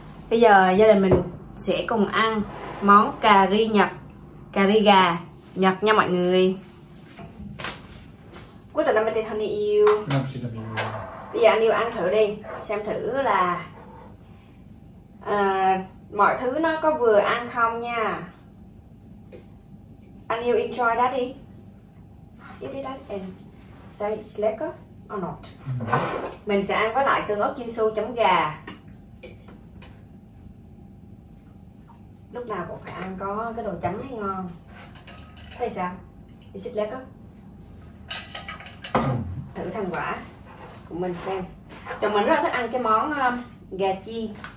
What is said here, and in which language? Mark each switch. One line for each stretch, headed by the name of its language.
Vietnamese: Bây giờ gia đình mình sẽ cùng ăn món cà ri Nhật, cà ri gà Nhật nha mọi người. Quýt là mình thân yêu. Bây giờ anh yêu ăn thử đi, xem thử là mọi thứ nó có vừa ăn không nha. Anh yêu
English: enjoy that
Vietnamese: đi.
English: Eat it up and say it's lekker or not.
Vietnamese: Mình sẽ ăn với lại tương ớt chiên su chấm gà. Lúc nào cũng phải ăn có cái đồ chấm mới ngon. Thấy sao?
English: Is it lekker?
Vietnamese: Thử thành quả của mình xem. Chồng mình rất là thích ăn cái món gà chiên.